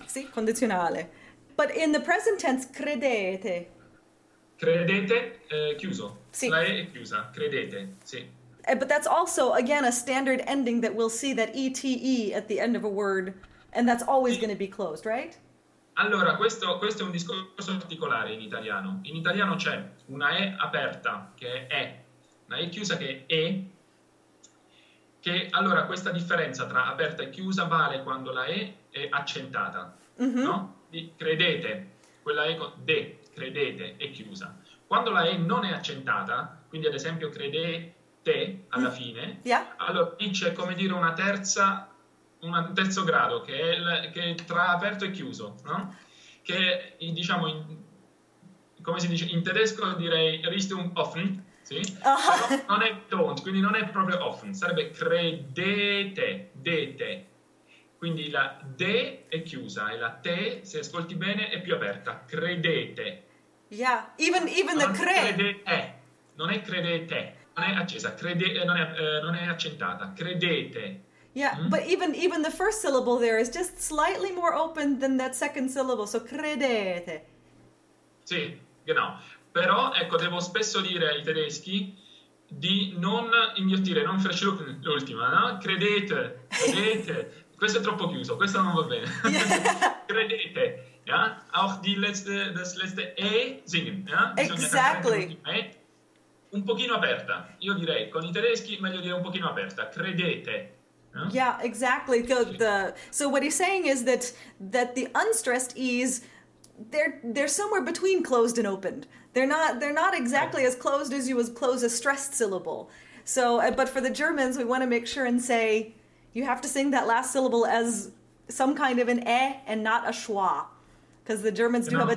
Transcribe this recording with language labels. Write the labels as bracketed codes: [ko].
[it] Sì, condizionale. [en] But in the present tense, credete. [it] Credete, chiuso. Sì. La E è chiusa, credete, sì. [en] But that's also, again, a standard ending that we'll see, that E-T-E at the end of a word, and that's always going to be closed, right? [it] Allora, questo è un discorso particolare in italiano. In italiano c'è una E aperta, che è E, una E chiusa, che è E. Allora, questa differenza tra aperta e chiusa vale quando la E è accentata, no? Credete, quella E con de, credete, è chiusa. Quando la E non è accentata, quindi ad esempio credete alla fine, allora lì c'è come dire una terza. Un terzo grado che è tra aperto e chiuso, no? Che diciamo, come si dice in tedesco, direi [de] Richtung offen, [it] sì? Però non è don't, quindi non è proprio offen, sarebbe credete, dete. Quindi la de è chiusa e la te, se ascolti bene, è più aperta, credete. [en] Even the [it] Non cre. credete, non è credete, non è accesa, non è accentata, credete. [en] But even the first syllable there is just slightly more open than that second syllable, so credete. [it] Sì, genau. Però ecco, devo spesso dire ai tedeschi di non inghiottire, non farci l'ultima, no? Credete, credete. Questo è troppo chiuso, questo non va bene. Credete, ja? [de] Auch das letzte E singen, ja? [it] Bisogna cantare l'ultima E un pochino aperta. Io direi, con i tedeschi, meglio dire un pochino aperta. Credete, no? [en] So what he's saying is that the unstressed E's, they're somewhere between closed and opened. They're not exactly as closed as you would close a stressed syllable. But for the Germans, we want to make sure and say you have to sing that last syllable as some kind of an e and not a schwa. Because the Germans do have a